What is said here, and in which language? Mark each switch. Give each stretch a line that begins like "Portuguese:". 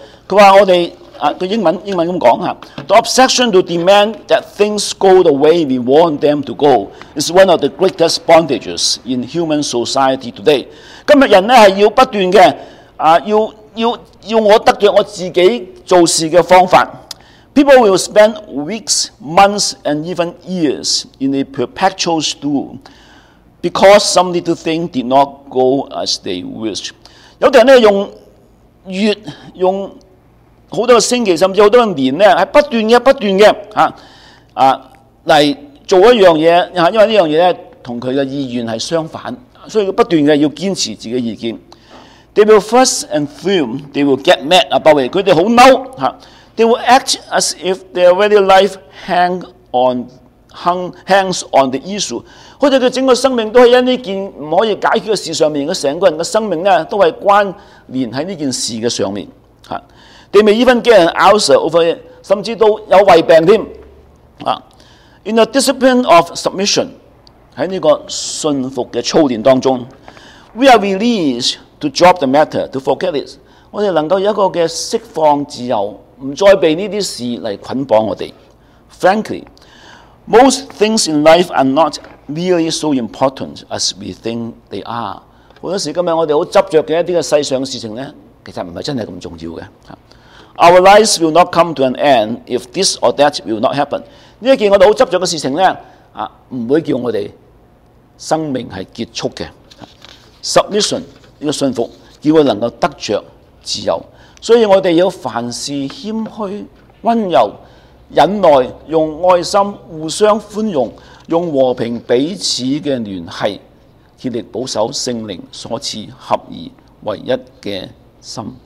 Chinese: 他说我们英文这么说，
English: The obsession to demand that things go the way we want them to go is one of the greatest bondages in human society today。
Chinese: 今天人是要不断的要我得到我自己做事的方法。
English: People will spend weeks, months and even years in a perpetual stew because some little thing did not go as they wished。
Chinese: 有的人用月用很多星期甚至很多年呢，是不断的不断的来做一样东西，因为这样东西跟他的意愿是相反，所以他不断的要坚持自己的意见。
English: They will fuss and fume, they will get mad about it,
Chinese: 他们很生气，
English: they will act as if their very life hangs on the issue,
Chinese: 他们整个生命都在这件不可以解决的事上面，整个人的生命都是关联在这件事的上面。
English: They may even get an ulcer over it,
Chinese: 甚至都有胃病添。
English: In the discipline of submission,
Chinese: 在这个信服的操练当中，
English: we are released to drop the matter, to forget it.
Chinese: 我们能够有一个释放自由，不再被这些事来捆绑我们。
English: Frankly, most things in life are not really so important as we think they are.
Chinese: 很多时候今天我们很执着的一些世上的事情呢，其实不是真的那么重要的。
English: Our lives will not come to an end if this or that will not happen.
Chinese: 这件我们很执着的事情呢，不会叫我们生命是结束的。 Submission, 这个信服，叫我们能够得着自由。所以我们要凡事谦虚、温柔、忍耐，用爱心互相宽容，用和平彼此的联系，竭力保守圣灵所赐合而为一的心。